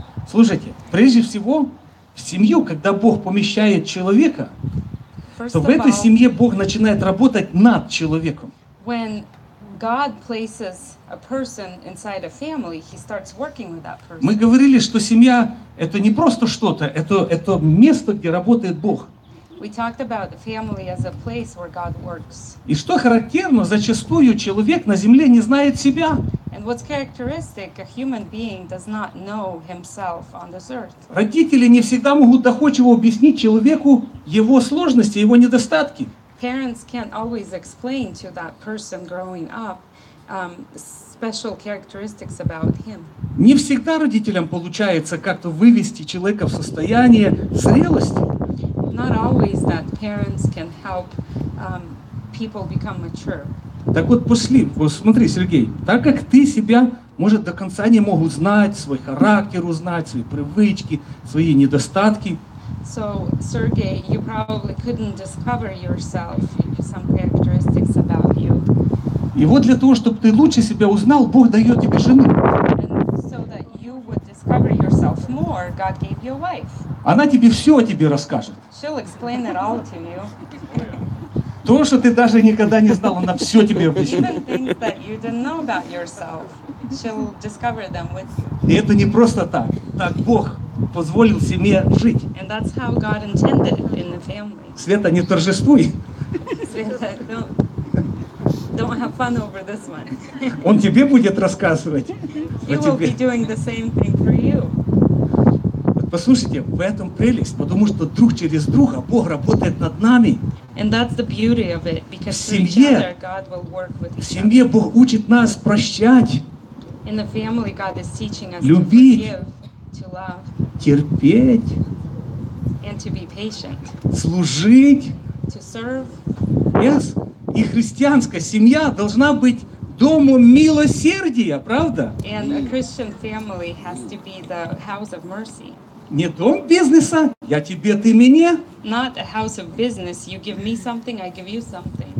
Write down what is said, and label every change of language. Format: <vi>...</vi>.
<ru>Слушайте, прежде всего, в семью, когда Бог помещает человека,</ru> <en>First</en> <ru>то в этой</ru> <en>all,</en> <ru>семье Бог начинает работать над человеком.</ru> <en>When God places a person inside a family, he starts working with that person.</en> <ru>Мы говорили, что семья — это не просто что-то, это место, где работает Бог.</ru> <en>We talked about the family as a place where God works.</en> <ru>И что характерно, зачастую человек на земле не знает себя.</ru> <en>And what's characteristic, a human being does not know himself on this earth.</en> <ru>Родители не всегда могут доходчиво объяснить человеку его сложности, его недостатки.</ru> <en>Parents can't always explain to that person growing up special characteristics about him.</en> <ru>Не всегда родителям получается как-то вывести человека в состояние зрелости.</ru> <en>Not always that parents can help people become mature.</en> <ru>Так вот, после, вот смотри, Сергей, так как ты себя, может, до конца не мог узнать, свой характер узнать, свои привычки, свои недостатки.</ru> <en>So, Sergey, you probably couldn't discover yourself, some characteristics about you.</en> <ru>И вот для того, чтобы ты лучше себя узнал, Бог дает тебе жену.</ru> <en>And so that you would discover yourself more, God gave you a wife.</en> <ru>Она тебе все о тебе расскажет.</ru> <en>She'll explain it all to you.</en> <ru>То, что ты даже никогда не знал, она все тебе объяснит.</ru> <en>Even things that you didn't know about yourself, she'll discover them with you.</en> <ru>И это не просто так. Так Бог позволил семье жить.</ru> <en>And that's how God intended it in the family.</en> <ru>Света, не торжествуй.</ru> <en>Света, don't have fun over this one.</en> <ru>Он тебе будет рассказывать.</ru> <en>He will be doing the same thing for you.</en> <ru>Послушайте, в этом прелесть, потому что друг через друга Бог работает над нами.</ru> <en>And that's the beauty of it, because through each other God will work with each other.</en> <ru>В семье Бог учит нас прощать.</ru> <en>In the family God is teaching us</en> <ru>любить,</ru> <en>to forgive, to love,</en> <ru>терпеть,</ru> <en>and to be patient,</en> <ru>служить,</ru> <en>to serve. Yes.</en> <ru>И христианская семья должна быть Дому милосердия, правда? And a Christian family has to be the house of mercy. Не дом бизнеса, я тебе, ты мне.</ru> <en>Not a house of business, you give me something, I give you something.</en>